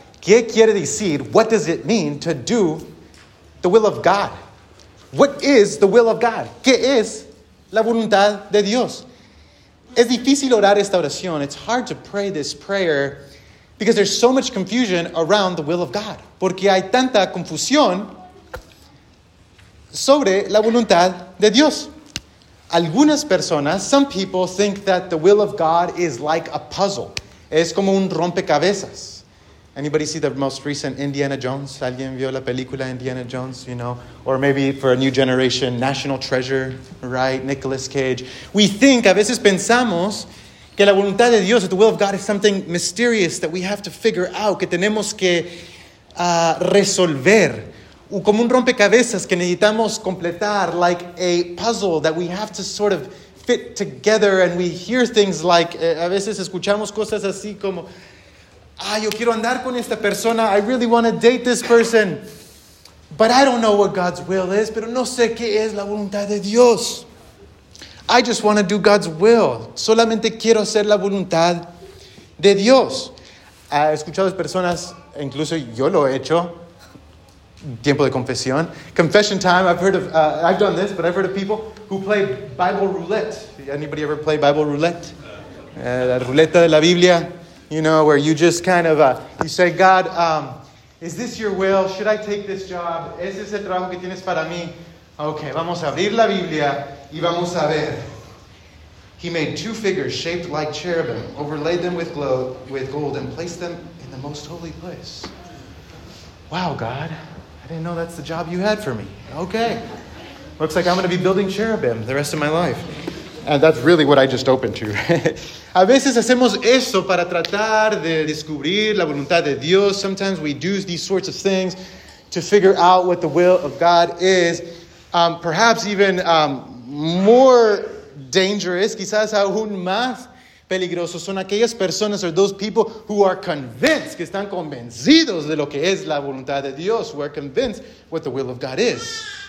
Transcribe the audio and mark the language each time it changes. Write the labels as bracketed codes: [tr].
[es] ¿Qué quiere decir? [en] What does it mean to do the will of God? What is the will of God? [es] ¿Qué es la voluntad de Dios? Es difícil orar esta oración. [en] It's hard to pray this prayer because there's so much confusion around the will of God. [es] Porque hay tanta confusión sobre la voluntad de Dios. Algunas personas, [en] some people think that the will of God is like a puzzle. [es] Es como un rompecabezas. [en] Anybody see the most recent Indiana Jones? [es] ¿Alguien vio la película Indiana Jones? [en] You know, or maybe for a new generation, National Treasure, right? Nicolas Cage. We think, [es] a veces pensamos, que la voluntad de Dios, [en] the will of God, is something mysterious that we have to figure out, [es] que tenemos que resolver. O como un rompecabezas que necesitamos completar, [en] like a puzzle that we have to sort of fit together, and we hear things like, [es] a veces escuchamos cosas así como, ah, yo quiero andar con esta persona. [en] I really want to date this person. But I don't know what God's will is. [es] Pero no sé qué es la voluntad de Dios. [en] I just want to do God's will. [es] Solamente quiero hacer la voluntad de Dios. He escuchado personas, incluso yo lo he hecho. Tiempo de confesión. [en] Confession time. I've done this, but I've heard of people who play Bible roulette. Anybody ever play Bible roulette? [es] La ruleta de la Biblia. [en] You know, where you just kind of, you say, God, is this your will? Should I take this job? [es] ¿Es ese trabajo que tienes para mí? Okay, vamos a abrir la Biblia y vamos a ver. [en] He made two figures shaped like cherubim, overlaid them with gold, and placed them in the most holy place. Wow, God, I didn't know that's the job you had for me. Okay, looks like I'm going to be building cherubim the rest of my life. And that's really what I just opened to. [es] A veces hacemos eso para tratar de descubrir la voluntad de Dios. [en] Sometimes we do these sorts of things to figure out what the will of God is. Perhaps even more dangerous, [es] quizás aún más peligroso, son aquellas personas [en] or those people who are convinced, [es] que están convencidos de lo que es la voluntad de Dios, [en] who are convinced what the will of God is.